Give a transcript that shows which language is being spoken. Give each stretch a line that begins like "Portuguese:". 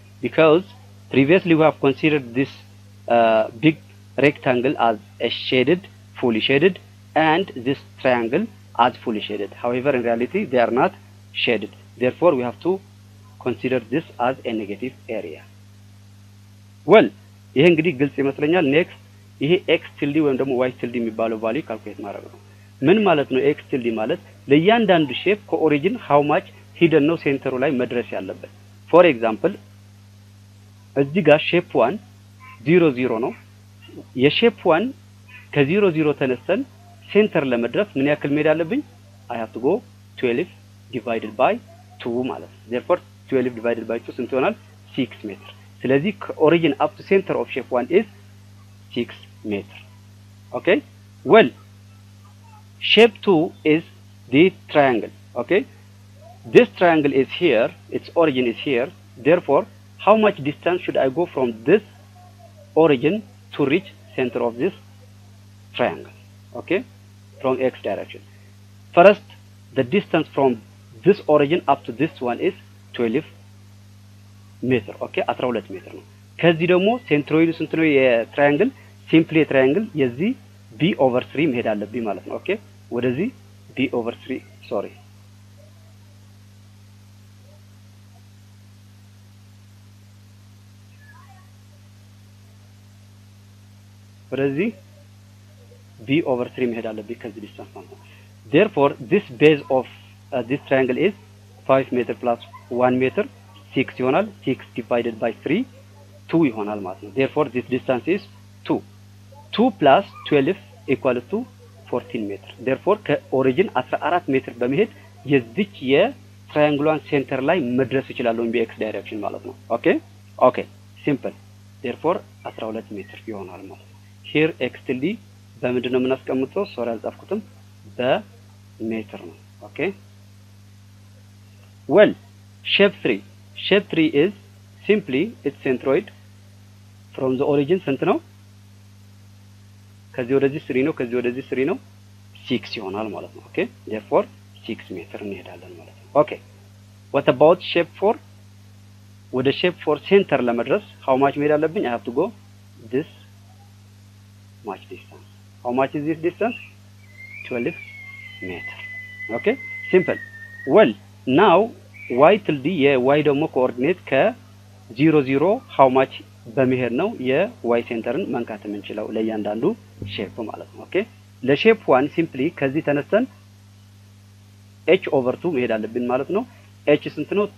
English: Because previously we have considered this big rectangle as a shaded, fully shaded, and this triangle as fully shaded. However, in reality, they are not shaded. Therefore, we have to consider this as a negative area.
Amharic: Well, yeh engedi gilts imeslenyal. Next, ይህ x tilde ወይም ደግሞ y tilde የሚባለው value calculate ማድረግ ነው። ምን ማለት ነው x tilde ማለት? ለእያንዳንዱ shape ከኦሪጅን
English: how much hidden
Amharic: ነው ሴንተሩ ላይ መድረስ ያለበት።
English: For example,
Amharic: እዚህ ጋር shape 1 0 0 ነው። የshape 1 ከ0 0 ተነስተን ሴንተር ለመድረስ ምን ያክል መሄድ አለብኝ?
English: I have to go 12 divided by 2
Amharic: ማለት ነው።
English: Therefore 12 divided by 2
Amharic: ስንት ይሆናል?
English: 6 meter.
Amharic: ስለዚህ ከኦሪጅን
English: up to center of shape 1 is 6 meter. Okay, well, shape 2 is the triangle. Okay, this triangle is here, its origin is here. Therefore, how much distance should I go from this origin to reach center of this triangle? Okay, from x direction. First, the distance from this origin up to this one is 12 meter. Okay, 12 meter.
Amharic: ከዚህ ደግሞ ሴንትሮይድ ስንት ነው የትራያንግል? ሲምፕሊ ትራያንግል የዚህ b over 3 መሄድ አለብኝ ማለት ነው። ኦኬ ወደዚህ b over 3 ሶሪ ወደዚህ b over 3 መሄድ አለብኝ ከዚህ ዲስታንስ ማለት ነው።
English: Therefore this base of this triangle is 5 meter plus 1 meter
Amharic: 6 ይሆናል 6 divided by 3 2 ይሆናል ማለት ነው።
English: Therefore this distance is 2. 2 plus 12 equals to 14 meter.
Amharic: Therefore ከኦሪጅን 14 ሜትር በመሄድ የዚች የትራያንግሉን ሴንተር ላይ መድረስ ይችላል ወይ በx direction ማለት ነው።
English: Okay? Okay. Simple.
Amharic: Therefore 12 ሜትር ይሆናል ማለት ነው።
English: Here x tilde
Amharic: በምንድን ነው የምናስቀምጠው? ሶሪ አልጻፍኩትም። በሜትር ነው። Okay?
English: Well, shape 3. Shape 3 is simply its centroid from the origin
Amharic: ስንት ነው? ከዚህ ወደዚህ 3 ነው፣ ከዚህ ወደዚህ 3 ነው 6 ይሆናል ማለት ነው። ኦኬ therefore 6 ሜትር እንሄዳለን ማለት ነው። ኦኬ
English: what about shape 4?
Amharic: ወደ shape 4 ሴንተር ለመድረስ how much መሄድ አለብኝ?
English: I have to go this much distance. How much is this distance? 12 meter. ኦኬ simple. Well now y tilde
Amharic: yeah, y ደግሞ coordinate ከ 0 0 how much በመሄድ ነው የy ሴንተርን መንካት የምንችለው ለእያንዳንዱ shape ማለት ነው። ኦኬ ለshape 1 simply ከዚህ ተነስተን h over 2 መሄድ አለብን ማለት ነው። h ስንት ነው?